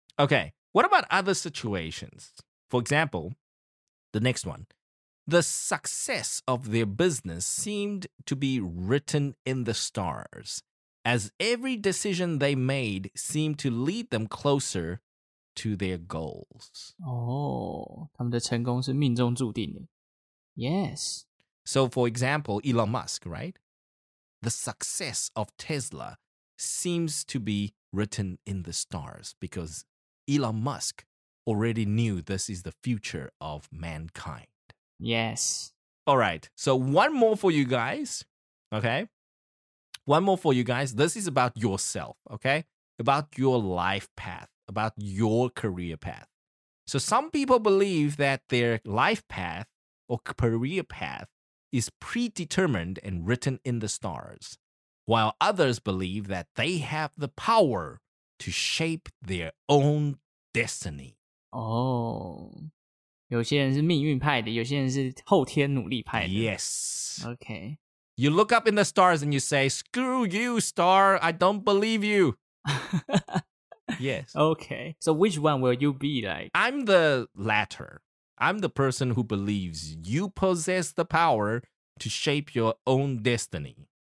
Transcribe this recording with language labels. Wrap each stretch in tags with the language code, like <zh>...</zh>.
<en>Okay, what about other situations? For example, the next one. The success of their business seemed to be written in the stars, as every decision they made seemed to lead them closer to their goals.</en> <zh>Oh, 他们的成功是命中注定的。</zh> <en>Yes. So, for example, Elon Musk, right? The success of Tesla. Seems to be written in the stars because Elon Musk already knew this is the future of mankind. Yes. All right. So one more for you guys. Okay. One more for you guys. This is about yourself. Okay. About your life path, about your career path. So some people believe that their life path or career path is predetermined and written in the stars. While others believe that they have the power to shape their own destiny.</en> <zh>Oh, 有些人是命运派的，有些人是后天努力派的。</zh> <en>Yes. Okay. You look up in the stars and you say, screw you, star, I don't believe you. Yes. Okay. So which one will you be like? I'm the latter. I'm the person who believes you possess the power to shape your own destiny.</en>